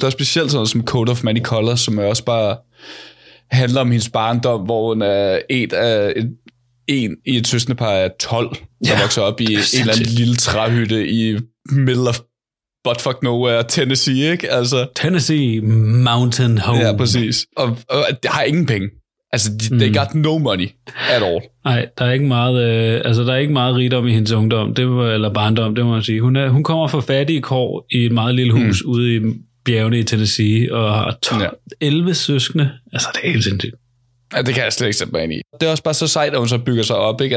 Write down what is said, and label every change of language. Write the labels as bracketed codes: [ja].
[da] Der er specielt sådan noget som Coat of Many Colors, som er også bare handler om hendes barndom, hvor hun er en i et søskendepar af 12, der vokser op i en eller anden lille træhytte i [en] middle of buttfuck nowhere, [da] Tennessee, ikke? Altså, Tennessee Mountain Home. Ja, præcis. Og det har ingen penge. [en] Altså, they got no money at all. [da] Nej, der er ikke meget, der er ikke meget rigdom i hendes ungdom, eller barndom, det må man sige. Hun kommer fra fattige kår i et meget lille hus ude i bjergene i Tennessee, og har 11 søskende. Altså, det er helt sindssygt. Ja, det kan jeg slet ikke sætte mig ind i. Det er også bare så sejt, at hun så bygger sig op, ikke?